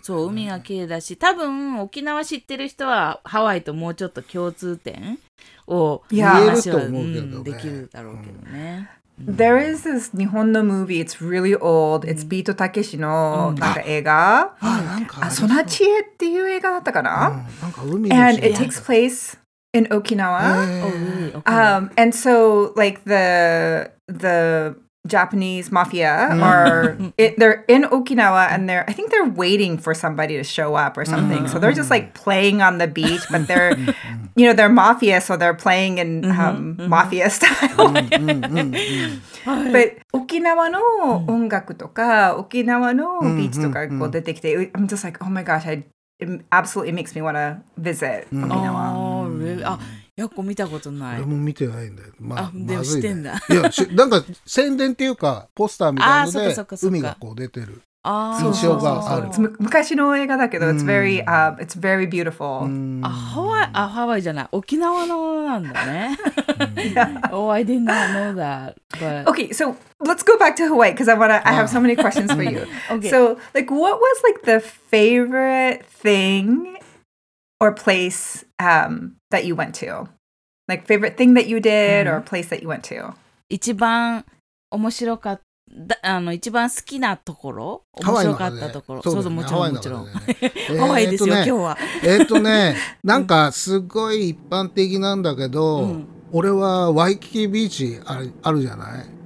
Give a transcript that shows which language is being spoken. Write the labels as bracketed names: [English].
[Japanese] そう、海が綺麗だし、多分沖縄知ってる人はハワイともうちょっと共通点を言えると思うけどね、できるだろうけどね、うん、 [English] There is this [Japanese] 日本のムービー、 [English] It's really old、 It's [Japanese] ビートたけしのなんか映画、うん、あ、なんかソナチエっていう映画だったかな、うん、なんか海の [English] 映画、 And it takes place in Okinawa、and so like the Japanese mafia are they're in Okinawa and they're, I think they're waiting for somebody to show up or something. So they're just like playing on the beach, but they're, you know, they're mafia, so they're playing in mafia style. But Okinawa [Japanese] の音楽とか Okinawa のビーチとかこう出てきて、 [English] I'm just like, oh my gosh, it absolutely makes me want to visit Okinawa. Oh, really? [Japanese] ヤコ見たことない。俺も見てないんだよ、まあ、でも知ってんだ、まずいね、いやなんか宣伝っていうかポスターみたいので海がこう出てる印象がある。昔の映画だけど、うん、 [English] It's very, it's very beautiful、 [Japanese] うん、ハワイじゃない、沖縄のなんだね [English] Yeah. Oh, I did not know that. But... Okay, so let's go back to Hawaii because I have so many questions for you. Okay. So like, what was like the favorite thingOr place that you went to? Like favorite thing that you did or place that you went to? [Japanese] 一番面白かった、一番好きなところ、面白かったところ。ハワイのそうそう、もちろん、もちろん。ハワイですよ、今日は。なんかすごい一般的なんだけど、俺はワイキキビーチあるじゃない?